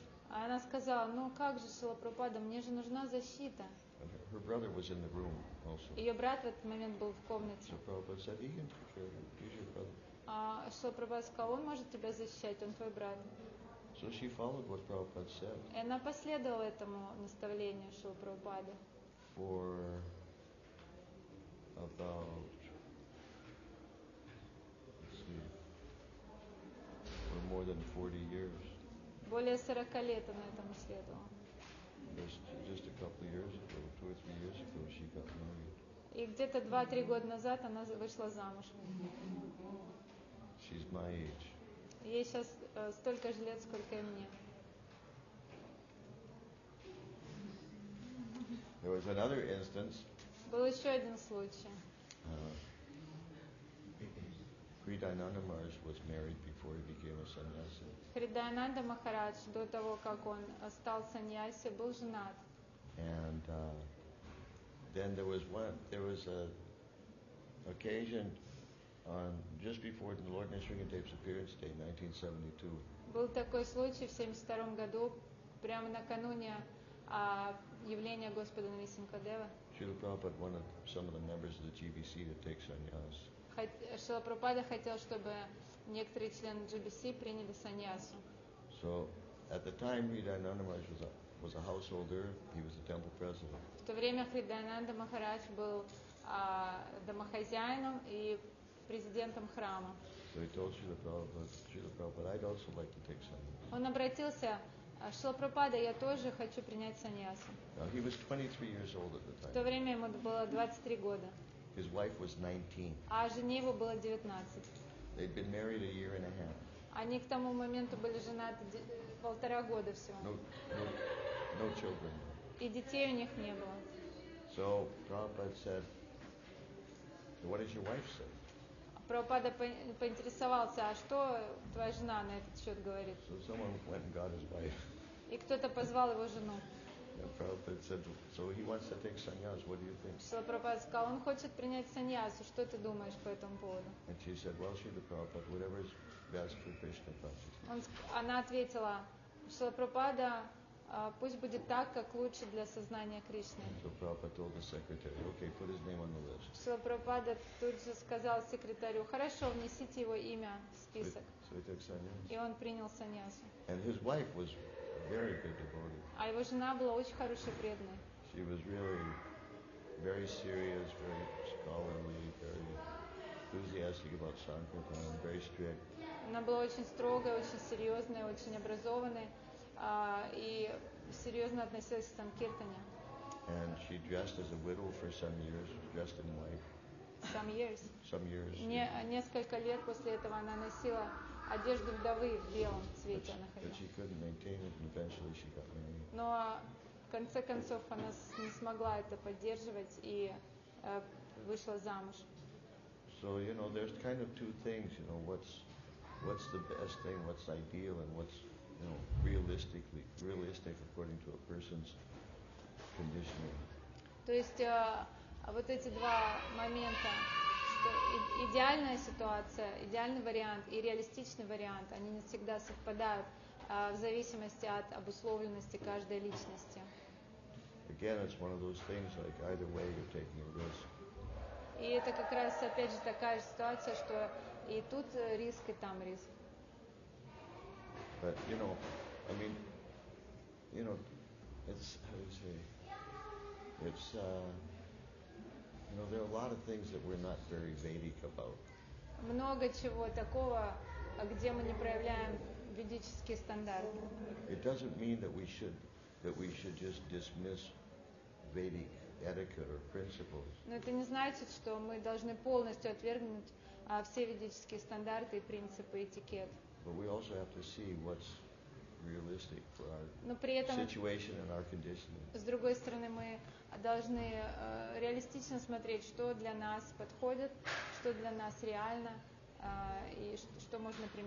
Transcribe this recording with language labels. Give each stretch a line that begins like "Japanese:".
Russian: Она сказала, ну как же, Шрила Прабхупада, мне же нужна защита.
English: Her brother was in the room also.
Russian: Ее брат в этот момент был в комнате.
English: So Prabhupada said, he can take care of you, he's your brother.
Russian: Шрила Прабхупада сказал, он может тебя защищать, он твой брат.
English: So she followed what Prabhupada said.
Russian: И она последовала этому наставлению Шрилы Прабхупады.
English: For about, let's see, for more than 40 years.
Russian: Более 40 лет она этому следовала.
English: Just a couple of years ago, two or three years ago, she got married.
Russian: И где-то 2-3 года назад она вышла замуж.
English: She's my age.
Russian: Ей сейчас столько же лет, сколько и мне.
English: There was another instance.
Russian: Был еще один случай.
English: Хридайананда Махарадж was married before he became a sannyasi.
Russian: Хридайананда Махарадж до того, как он стал саньяси, был женат.
English: And then there was an occasion on just before the Lord Nisringadev's appearance day, 1972.
Russian: Был такой случай в 72 году, прямо накануне явления Господа Нисингхадева.
English: Srila Prabhupada wanted some of the members of the GBC to take sannyas.
Russian: Шрила Прабхупада хотел, чтобы некоторые члены GBC приняли саньясу.
English: So, at the time, Хридайананда Махарадж was a householder. He was the temple president.
Russian: В то время Хридайананда Махарадж был домохозяином и президентом храма.
English: So he told Srila Prabhupada, I'd also like to take sannyas.
Russian: Он обратился, Шрила Прабхупада, я тоже хочу принять саньясу.
English: Now, he was 23 years old at the time.
Russian: В то время ему было 23 года.
English: His wife was 19.
Russian: А жене его было 19.
English: They'd been married a year and a half.
Russian: Они к тому моменту были женаты полтора года всего.
English: No children.
Russian: И детей у них не было.
English: So Prabhupada said, what does your wife say?
Russian: Прабхупада поинтересовался, а что твоя жена на этот счет говорит?
English: So someone went and got his wife.
Russian: И кто-то позвал его жену.
English: Prabhupada said, so he wants to take sannyas, what do you think?
Russian: Шрила Прабхупада сказал, он хочет принять саньясу, что ты думаешь по этому поводу?
English: And she said, well, Шрила Прабхупада, whatever is best for Krishna consciousness.
Russian: Она ответила, Шрила Прабхупада, пусть будет так, как лучше для сознания Кришны.
English: So Prabhupada told the secretary, okay, put his name on the list.
Russian: Шрила Прабхупада тут же сказал секретарю, хорошо, внесите его имя в список.
English: So he took sannyas.
Russian: И он принял саньясу.
English: And his wife was very good devotee.
Russian: А его жена была очень хорошей, преданной.
English: She was really very serious, very scholarly, very enthusiastic about sankirtan, very strict.
Russian: Она была очень строгая, очень серьезная, очень образованная, и серьезно относилась к санкиртане.
English: And she dressed as a widow for some years, dressed in white. Some years. Some years.
Russian: Несколько лет после этого она носила одежду вдовы в белом цвете.
English: But she couldn't maintain it, and eventually she got married.
Russian: Но в конце концов она не смогла это поддерживать и вышла замуж.
English: So you know, there's kind of two things. You know, what's the best thing? What's ideal? And what's, you know, realistic according to a person's conditioning.
Russian: То есть вот эти два момента. Идеальная ситуация, идеальный вариант и реалистичный вариант, они не всегда совпадают в зависимости от обусловленности каждой личности.
English: Again, it's one of those things, like either way you're taking a risk.
Russian: И это как раз опять же такая же ситуация, что и тут риск, и там риск.
English: But you know, I mean, you know, it's, how do you say, it's you know, there are a lot of things that we're not very Vedic about.
Russian: Много чего такого, где мы не проявляем ведический стандарт.
English: It doesn't mean that we should just dismiss Vedic etiquette or principles.
Russian: Но это не значит, что мы должны полностью отвергнуть все ведические стандарты и принципы этикет.
English: But we also have to see what's realistic for our situation and our conditioning.
Russian: С другой стороны, мы должны реалистично смотреть, что для нас подходит, что для нас реально, и что можно